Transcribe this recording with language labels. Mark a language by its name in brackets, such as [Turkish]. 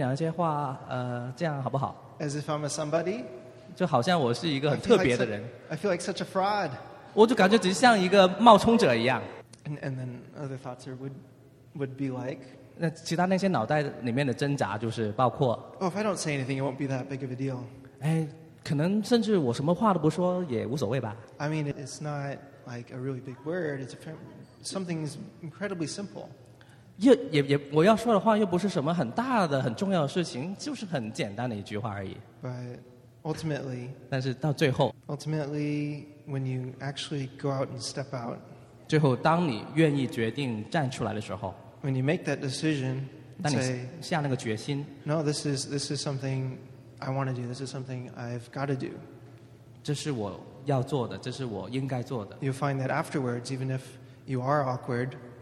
[Chinese] 我就去到他面前，就跟他说，我可不可以跟你分享一些话？这样好不好？ [English] As if I'm a somebody. [Chinese] 就好像我是一个很特别的人。 [English] I feel like such a fraud. [Chinese] 我就感觉只是像一个冒充者一样。 [English] And then other thoughts would be like, [Chinese] 那其他那些脑袋里面的挣扎就是包括, [English] oh, if I don't say anything, it won't be that big of a deal. [Chinese] 哎，可能甚至我什么话都不说也无所谓吧。 [English] I mean, it's not like a really big word. It's something is incredibly simple. [Chinese] 我要说的话又不是什么很大的很重要的事情，就是很简单的一句话而已。 [English] But ultimately, [Chinese] 但是到最后, [English] ultimately, when you actually go out and step out, [Chinese] 最后，当你愿意决定站出来的时候， [English] when you make that decision, say, [Chinese] 当你下那个决心， [English] no, this is something I want to do. This is something I've got to do. [Chinese] 这是我要做的，这是我应该做的。 [English] You find that afterwards, even if you are awkward,